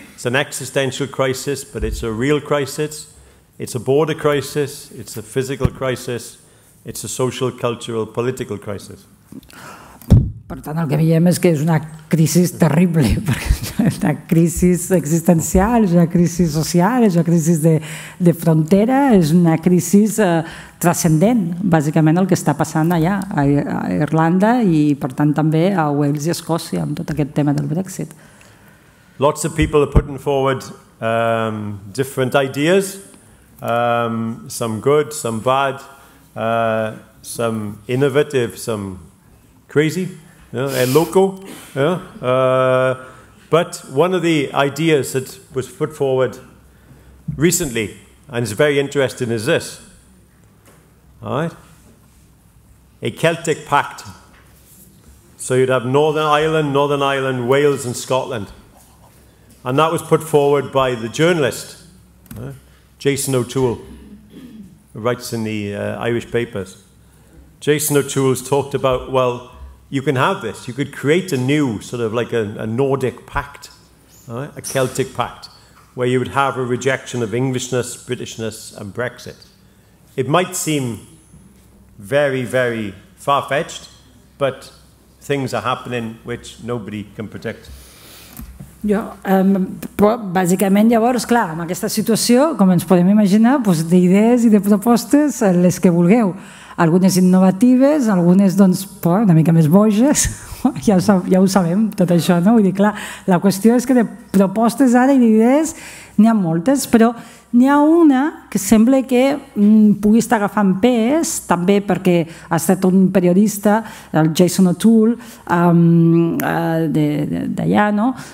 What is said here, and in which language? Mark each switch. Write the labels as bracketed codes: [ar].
[en] It's an existential crisis, but it's a real crisis. It's a border crisis, it's a physical crisis, it's a social, cultural, political crisis. [ca] Per tant, el que veiem és que és una crisi terrible, una crisi existencial, és una crisi social, és una crisi de frontera, és una crisi transcendent, bàsicament el que està passant allà, a Irlanda i, per tant, també a Wales i Escòcia, amb tot aquest tema del Brexit. [en] Lots of people are putting forward different ideas. some good, some bad, some innovative, some crazy, you know, loco. Yeah? But one of the ideas that was put forward recently, and is very interesting, is this. All right? A Celtic pact. So you'd have Northern Ireland, Wales and Scotland. And that was put forward by the journalist, Jason O'Toole, who writes in the Irish papers. Jason O'Toole's talked about, well, you can have this. You could create a new sort of like a Nordic pact, a Celtic pact, where you would have a rejection of Englishness, Britishness and Brexit. It might seem very, very far-fetched, but things are happening which nobody can predict. [ca] Jo, però bàsicament llavors, clar, amb aquesta situació, com ens podem imaginar, doncs, d'idees i de propostes, les que vulgueu. Algunes innovatives, algunes doncs, una mica més boges, ja ho sabem, tot això, no? Vull dir, clar, la qüestió és que de propostes ara i d'idees n'hi ha moltes, però n'hi ha una que sembla que pugui estar agafant pes, també perquè ha estat un periodista, el Jason O'Toole, d'allà, no?